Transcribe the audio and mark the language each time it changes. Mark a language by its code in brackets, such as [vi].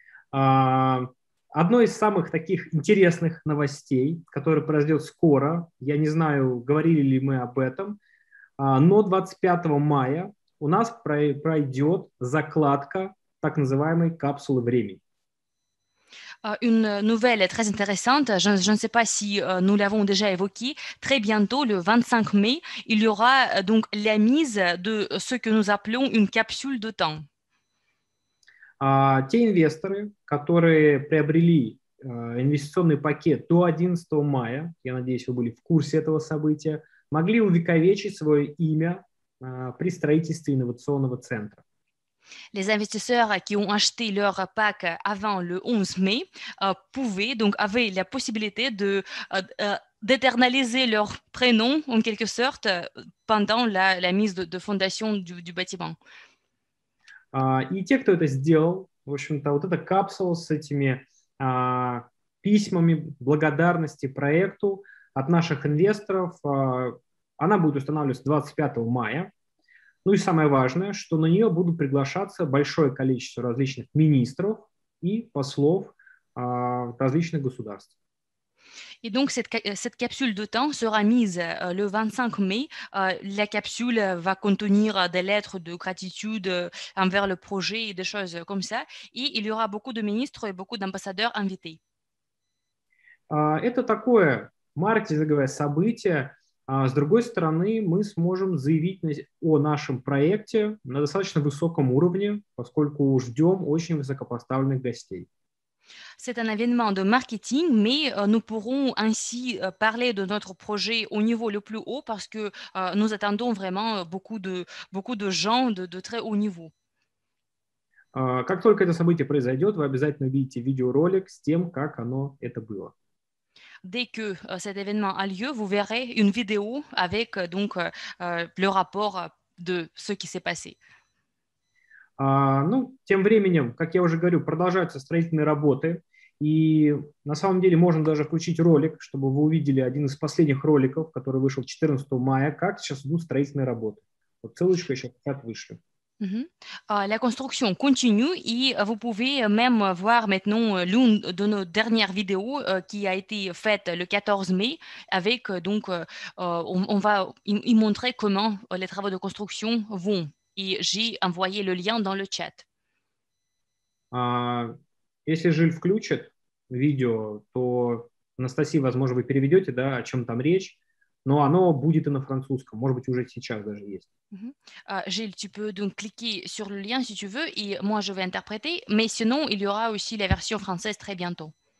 [ru] Одно из самых таких интересных новостей, которое произойдет скоро, я не знаю, говорили ли мы об этом, но 25 мая у нас пройдет закладка так называемой капсулы времени. [fr] Une nouvelle très intéressante, je ne sais pas si nous l'avons déjà évoquée, très bientôt, le 25 mai, il y aura donc la mise de ce que nous appelons une capsule de temps. [ru] Те инвесторы, которые приобрели инвестиционный пакет до 11 мая, я надеюсь, вы были в курсе этого события, могли увековечить свое имя при строительстве инновационного центра. [fr] Les investisseurs qui ont acheté leur pack avant le 11 mai avaient la possibilité d'éternaliser leur prénom, en quelque sorte, pendant la mise de fondation du bâtiment. [ru] И те, кто это сделал, в общем-то, вот эта капсула с этими письмами благодарности проекту от наших инвесторов, она будет устанавливаться 25 мая. Ну и самое важное, что на нее будут приглашаться большое количество различных министров и послов различных государств. [fr] Et donc cette capsule de temps sera mise le 25 mai. La capsule va contenir des lettres de gratitude envers le projet et des choses comme ça. Et il y aura beaucoup de ministres et beaucoup d'ambassadeurs invités. [ru] Это такое маркетинговое событие. С другой стороны, мы сможем заявить о нашем проекте на достаточно высоком уровне, поскольку ждем очень высокопоставленных гостей. [fr] C'est un événement de marketing, mais nous pourrons ainsi parler de notre projet au niveau le plus haut parce que nous attendons vraiment beaucoup de gens de très haut niveau. [ru] Как только это событие произойдет, вы обязательно увидите видеоролик с тем, как оно это было. [fr] Dès que cet événement a lieu, vous verrez une vidéo avec le rapport de ce qui s'est passé. [ru] Тем временем, как я уже говорю, продолжаются строительные работы. И на самом деле можно даже включить ролик, чтобы вы увидели один из последних роликов, который вышел 14 мая, как сейчас идут строительные работы. Вот ссылочка еще как вышли. [fr] La construction continue et vous pouvez même voir maintenant l'une de nos dernières vidéos qui a été faite le 14 mai avec on va y montrer comment les travaux de construction vont et j'ai envoyé le lien dans le chat. [ru] Если Жиль включит видео, то Анастасия, возможно, вы переведете, да, о чем там речь. Но оно будет и на французском, может быть, уже сейчас даже есть. [fr] Жиль, tu peux donc cliquer sur le lien, si tu veux, et moi je vais interpréter, mais sinon, il y aura aussi la version française très bientôt.